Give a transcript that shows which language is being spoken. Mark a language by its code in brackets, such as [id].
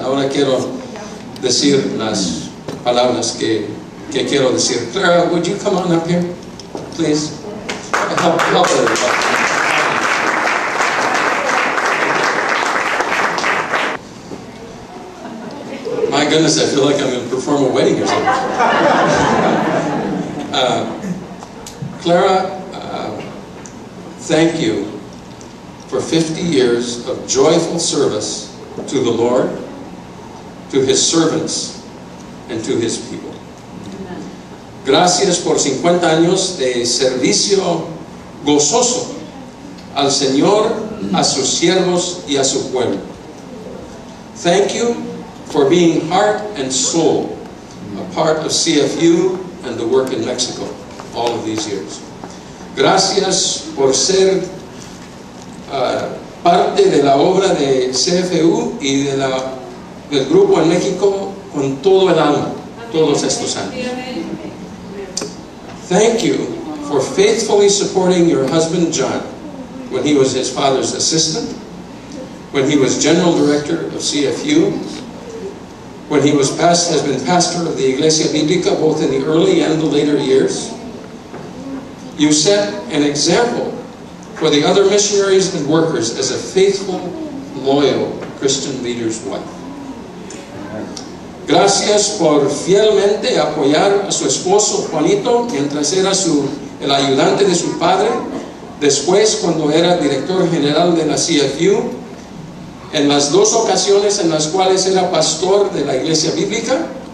[es] Ahora quiero decir las palabras que quiero decir. [en] Clara, would you come on up here, please? Help everybody. My goodness, I feel like I'm going to perform a wedding or something. Clara, thank you for 50 years of joyful service to the Lord, to His servants, and to His people. [es] Gracias por 50 años de servicio gozoso al Señor, a sus siervos, y a su pueblo. [en] Thank you for being heart and soul, a part of CFU and the work in Mexico all of these years. [es] Gracias por ser parte de la obra de CFU y de la, del grupo en México con todo el alma, todos estos años. [en] Thank you for faithfully supporting your husband John when he was his father's assistant, when he was general director of CFU, when he was has been pastor of the Iglesia Biblica, both in the early and the later years. You set an example for the other missionaries and workers as a faithful, loyal Christian leader's wife. [es] Gracias por fielmente apoyar a su esposo Juanito mientras era el ayudante de su padre, después cuando era director general de la CFU, en las dos ocasiones en las cuales era pastor de la Iglesia Biblica.